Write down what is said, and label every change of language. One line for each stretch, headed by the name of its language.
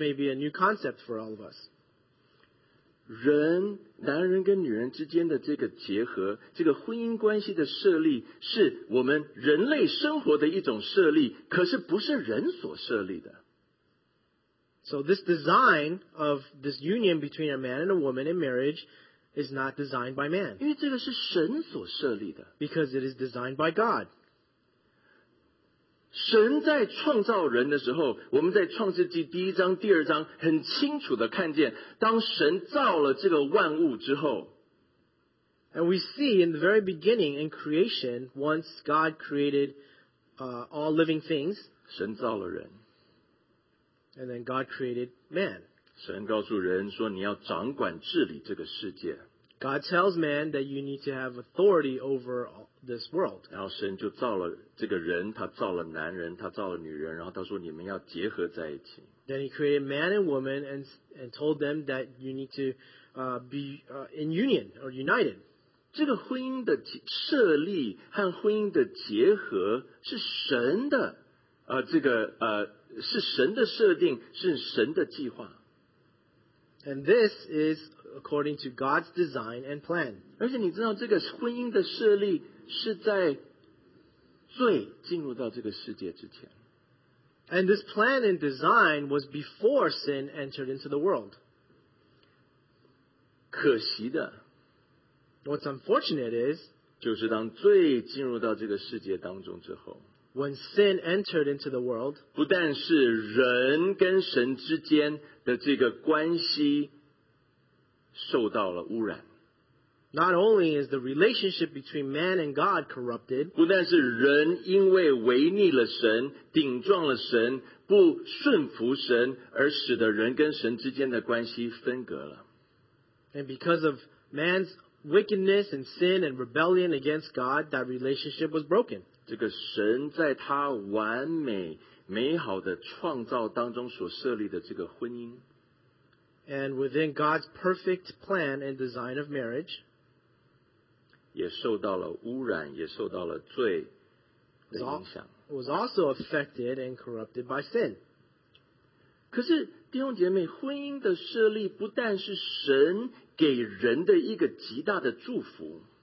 English: may be a new concept for all of us.
Chinese: 男人跟女人之间的这个结合，这个婚姻关系的设立，是我们人类生活的一种设立，可是不是人所设立的。
English: So this design of this union between a man and a woman in marriage is not designed by man.
Chinese: 因为这个是神所设立的。
English: Because it is designed by God.
Chinese: 神在创造人的时候，我们在创世纪第一章、第二章很清楚的看见，当神造了这个万物之后。
English: And we see in the very beginning in creation, once God created all living things,
Chinese: 神造了人。
English: And then God created man.
Chinese: 神告诉人说你要掌管治理这个世界。
English: God tells man that you need to have authority over this world.
Chinese: 然后神就造了这个人，他造了男人，他造了女人，然后他说你们要结合在一起。
English: Then he created man and woman and told them that you need to be in union or united.
Chinese: 这个婚姻的设立和婚姻的结合是神的是神的设定，是神的计划。
English: And this is according to God's design and plan.
Chinese: 而且你知道这个婚姻的设立是在罪进入到这个世界之前。
English: And this plan and design was before sin entered into the world.
Chinese: 可惜的。
English: What's unfortunate is,
Chinese: 就是当罪进入到这个世界当中之后，
English: when sin entered into the world,
Chinese: 不但是人跟神之间的这个关系受到了污染，
English: not only is the relationship between man and God corrupted,
Chinese: 不但是人因为违逆了神，顶撞了神，不顺服神，而使得人跟神之间的关系分隔了，
English: and because of man'swickedness and sin and rebellion against God, that relationship was broken.
Chinese: 这个神在他完美美好的创造当中所设立的这个婚姻。
English: And within God's perfect plan and design of marriage,
Chinese: 也受到了污染，也受到了罪的影响。
English: Was also affected and corrupted by sin.
Chinese: 可是弟兄姐妹，婚姻的设立不但是神给人的一个极大的祝福。